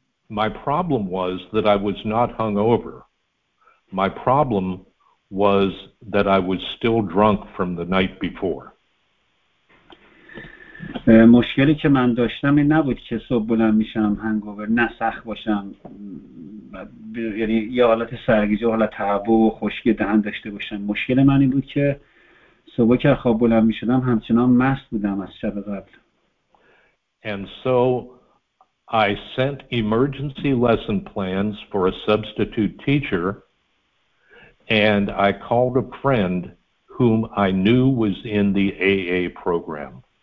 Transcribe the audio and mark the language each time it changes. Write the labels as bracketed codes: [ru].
[en] My problem was that I was not hungover. My problem was that I was still drunk from the night before. [fa] مشکلی که من داشتم این نبود که صبح بلند میشم هنگوور نه سخت باشم یعنی یه حالت سرگیجه حالت تعب و خشکی دهن داشته باشم. مشکل من این بود که صبح که خواب بلند میشدم همچنان مست بودم از شب قبل. [en] And so I sent emergency lesson plans for a substitute teacher and I called a friend whom I knew was in the AA program.